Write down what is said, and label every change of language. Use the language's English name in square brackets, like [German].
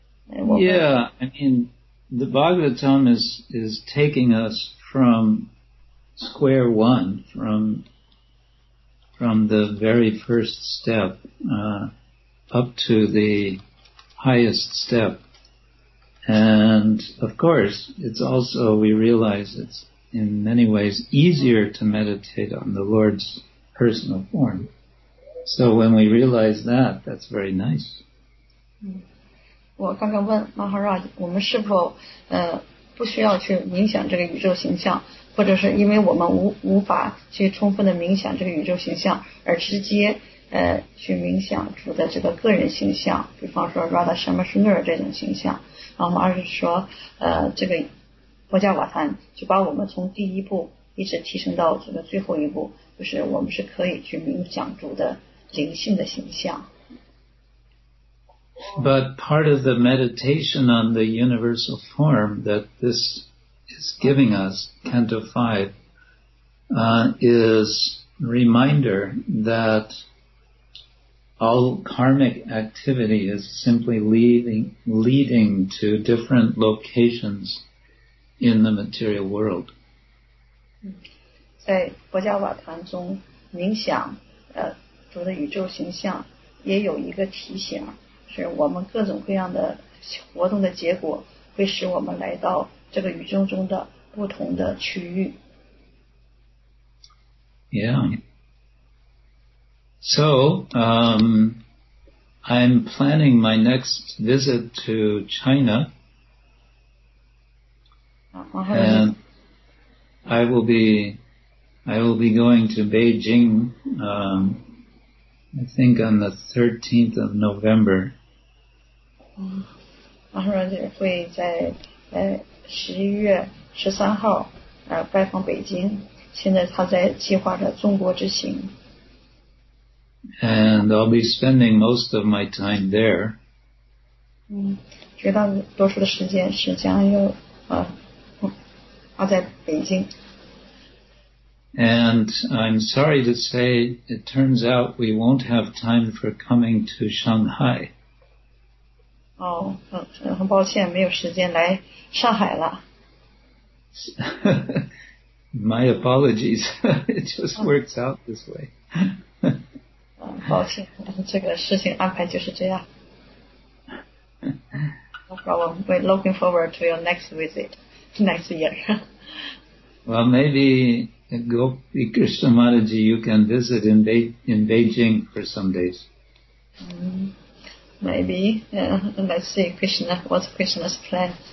[English] I mean, the Bhagavatam is taking us from square one, from the very first step up to the highest step. And of course, it's also, we realize it's in many ways easier to meditate on the Lord's personal form. So when we realize that, that's very nice. [Chinese] 我刚刚问 Maharaj, 我们是否不需要去冥想这个宇宙形象，或者是因为我们无法去充分的冥想这个宇宙形象而直接去冥想主的这个个人形象，比方说 Radha Shama Sundara 这种形象，然后我们二是说这个波迦瓦坛就把我们从第一步一直提升到这个最后一步，就是我们是可以去冥想主的灵性的形象。 [English] But part of the meditation on the universal form that this is giving us, Canto 5, is reminder thatall karmic activity is simply leading to different locations in the material world. [Chinese] 在佛教瓦坛中冥想主的宇宙形象也有一个提醒，是我们各种各样的活动的结果会使我们来到这个宇宙中的不同的区域。 [English] So, I'm planning my next visit to China, and I will be going to Beijing, I think on the 13th of November. [Chinese] 马上人会在11月13号拜访北京，现在他在计划着中国之行。 [English] And I'll be spending most of my time there. [Chinese] 绝大多数的时间是将要在北京。 [English] And I'm sorry to say, it turns out we won't have time for coming to Shanghai. [Chinese] 很抱歉，没有时间来上海了。 [English] My apologies. It just works out this way. [Chinese] 抱歉，这个事情安排就是这样。 [English] No problem. We're looking forward to your next visit next year. Well, maybe Gopi Krishna Mataji, you can visit in Beijing for some days. Maybe. Yeah. Let's see Krishna, what's Krishna's plan.